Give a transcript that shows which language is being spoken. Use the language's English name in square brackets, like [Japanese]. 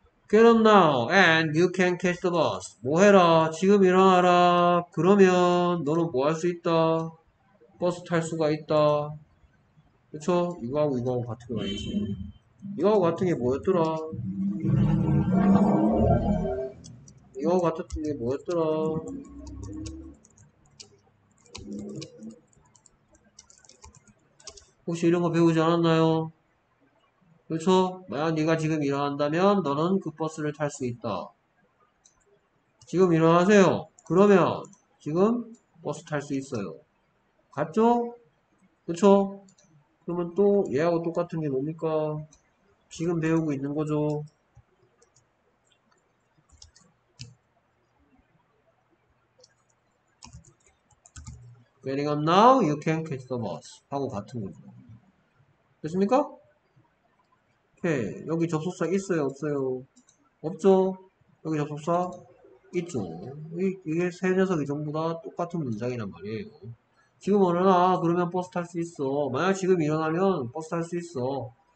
[Korean] 일어나 [English] now and you can catch the bus. [Korean] 뭐 해라. 지금 일어나라. 그러면 너는 뭐할수 있다. 버스 탈 수가 있다. 그쵸? 이거하고 같은 거 아니지? 이거하고 같은 게 뭐였더라? 이거하고 같은 게 뭐였더라? 혹시 이런 거 배우지 않았나요? 그렇죠? 만약 네가 지금 일어난다면 너는 그 버스를 탈수 있다. 지금 일어나세요. 그러면 지금 버스 탈수 있어요. 갔죠? 그렇죠? 그러면 또 얘하고 똑같은 게 뭡니까? 지금 배우고 있는 거죠. [English] getting up now, you can catch the bus. [Korean] 하고 같은 거죠. 됐습니까? 오케이. 여기 접속사 있어요, 없어요? 없죠? 여기 접속사 있죠? 이게 세 녀석이 전부 다 똑같은 문장이란 말이에요. 지금 일어나. 그러면 버스 탈수 있어. 만약 지금 일어나면 버스 탈수 있어.